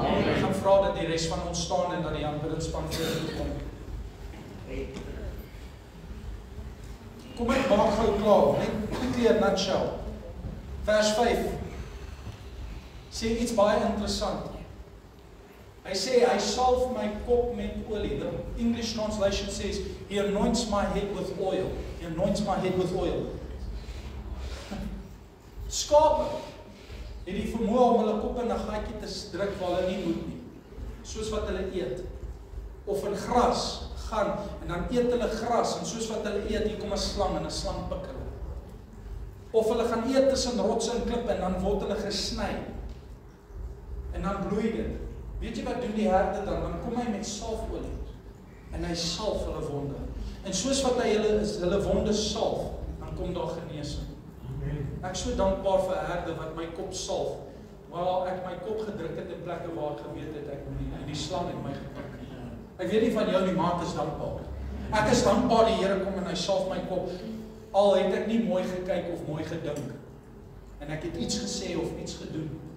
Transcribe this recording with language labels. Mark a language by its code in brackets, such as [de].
[af] Ek gaan vra dat die res van ons staan en dat die aanbiddingspan voor toe kom. Kom ek maak gou klaar, net [en] quickly in a nutshell. [af] Vers 5 sê iets baie interessant. Hy sê hy salf my kop met olie. [en] The English translation says he anoints my head with oil. He anoints my head with oil. [af] Skape het die vermoë om hulle kop in 'n gatjie te druk waar hulle nie moet nie. Soos wat hulle eet. Of in gras gaan en dan eet hulle gras en soos wat hulle eet, hier kom 'n slang en 'n slang pik hulle. Of hulle gaan eet tussen rotse en klippe en dan word hulle gesny. En dan bloei dit. Weet jy wat doen die herde dan? Dan kom hy met salfolie en hy salf hulle wonde. En soos wat hy hulle wonde salf, dan kom daar genesing. Ek so dankbaar vir herde wat my kop salf. Waar ek my kop gedruk het in plekke waar ek geweet het ek moet nie. Die slang het my gepik. Ek weet nie van jou nie, maar ek is dankbaar. Ek is dankbaar die Here kom en hy salf my kop. Al het ek nie mooi gekyk of mooi gedink. En ek het iets gesê of iets gedoen.